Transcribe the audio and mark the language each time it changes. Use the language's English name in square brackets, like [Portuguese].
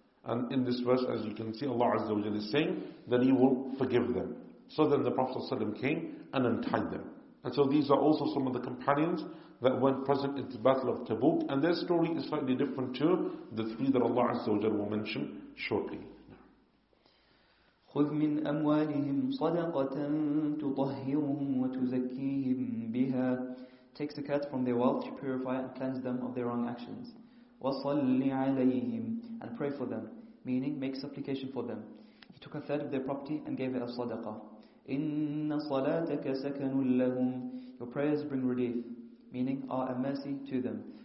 [English] And in this verse, as you can see, Allah Azza wa Jal is saying that He will forgive them. So then the Prophet ﷺ came and untied them. And so these are also some of the companions that went present in the Battle of Tabuk. And their story is slightly different to the three that Allah Azza wa Jal will mention shortly. [Arabic] خذ من أموالهم صدقة تطهرهم وتزكيهم بها. [English] Take zakat from their wealth to purify and cleanse them of their wrong actions. [Arabic] وصلي عليهم, [English] and pray for them, meaning make supplication for them. He took a third of their property and gave it as sadaqa. [Arabic] إن صلاتك سكن لهم. [English] Your prayers bring relief, meaning are a mercy to them.